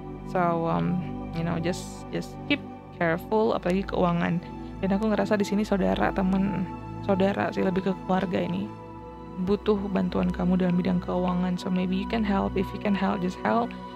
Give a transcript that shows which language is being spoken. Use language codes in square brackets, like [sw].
[en] So you know, just keep careful [id] apalagi keuangan. Dan aku ngerasa di sini saudara, teman, saudara sih lebih ke keluarga ini butuh bantuan kamu dalam bidang keuangan. [en] So maybe you can help, if you can help just help.